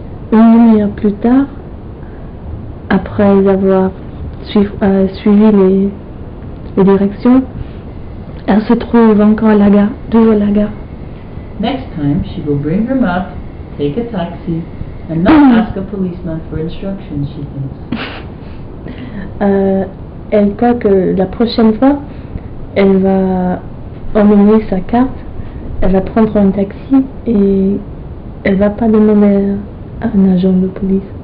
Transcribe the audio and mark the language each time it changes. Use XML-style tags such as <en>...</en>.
<fr>Une demi-heure plus tard, après avoir suivi les directions, elle se trouve encore à la gare, toujours à la gare.</fr> <en>Next time, she will bring her map, take a taxi, and not ask a policeman for instructions, she thinks.</en> <fr>Elle croit que la prochaine fois, elle va emmener sa carte, elle va prendre un taxi et elle va pas demander à un agent de police.</fr>